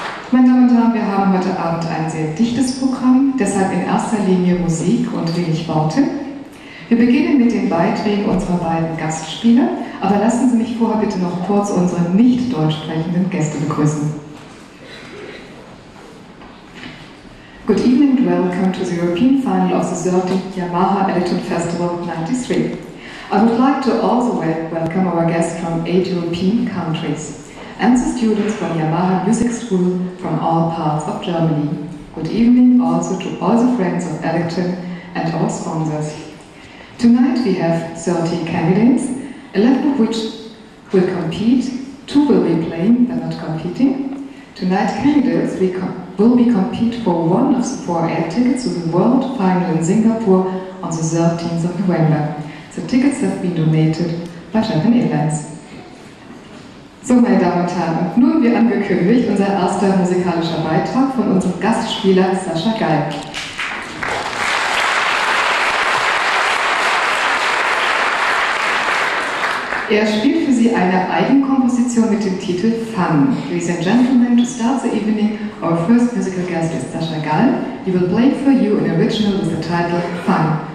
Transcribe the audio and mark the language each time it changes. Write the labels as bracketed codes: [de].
[de] Meine Damen und Herren, wir haben heute Abend ein sehr dichtes Programm, deshalb in erster Linie Musik und wenig Worte. Wir beginnen mit den Beiträgen unserer beiden Gastspieler. Aber lassen Sie mich vorher bitte noch kurz unsere nicht deutsch sprechenden Gäste begrüßen. [en] Good evening and welcome to the European Final of the 13th Yamaha Electron Festival 93. I would like to also welcome our guests from 8 European countries. and to students from Yamaha Music School from all parts of Germany. Good evening also to all the friends of Electrum and our sponsors. Tonight we have 30 candidates, 11 of which will compete, 2 will be playing, but not competing. Tonight candidates will be compete for one of the 4 air tickets to the world final in Singapore on the 13th of November. The tickets have been donated by German Airlines. [de] So, meine Damen und Herren, nun wie angekündigt, unser erster musikalischer Beitrag von unserem Gastspieler Sascha Geil. Er spielt für Sie eine Eigenkomposition mit dem Titel Fun. [en] Ladies and gentlemen, to start the evening, our first musical guest is Sascha Geil. He will play for you an original with the title Fun.